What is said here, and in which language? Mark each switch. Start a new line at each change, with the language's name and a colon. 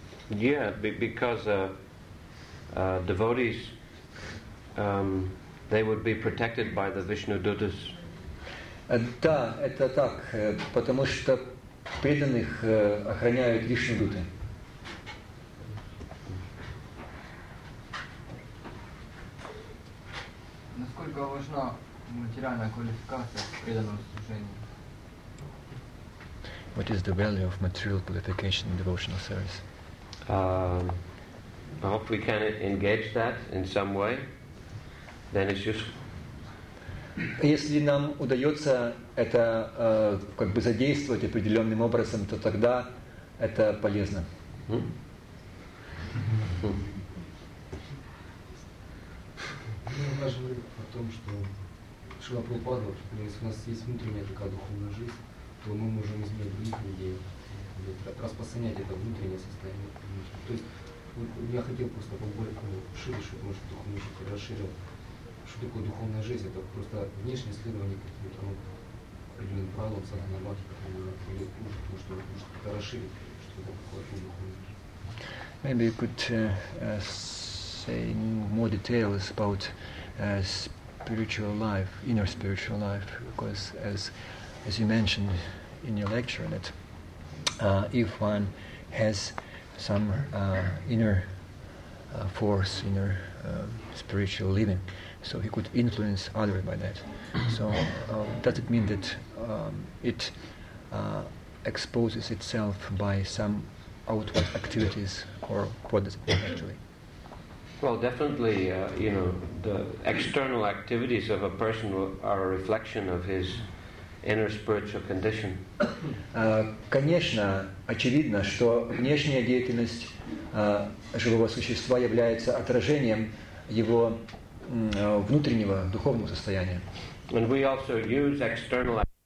English: Yeah, because devotees, they would be protected by the Vishnu Dutas.
Russian: Да, это так, потому что преданных охраняют Вишну Дуты. Насколько важна материальная квалификация в преданном служении?
English: What is the value of material qualification in devotional service? I hope we can engage that in some way. Then it's useful.
Russian: Если нам удается это как бы задействовать определенным образом, то тогда это полезно. Мы говорили о том, что Шрила Прабхупада, если у нас есть внутренняя такая духовная жизнь, то мы можем изменить других людей, распространять это внутреннее состояние. То есть я хотел просто поговорить шире, чтобы мы что-то духовное расширили. Что такое духовная жизнь? Это просто внешнее следование каким-то определенным правилам, сознанием бхакти, или то, что это расширить, что это какое-то духовное жизнь.
English: Maybe you could say more details about spiritual life, inner spiritual life, because as you mentioned in your lecture, that if one has some inner force, inner spiritual living, so he could influence others by that. So does it mean that it exposes itself by some outward activities, or what does it mean actually? Well, definitely, you know, the external activities of a person are a reflection of his inner spiritual condition.
Russian: Конечно, очевидно, что внешняя деятельность живого существа является отражением его внутреннего духовного состояния.
English: And we also use external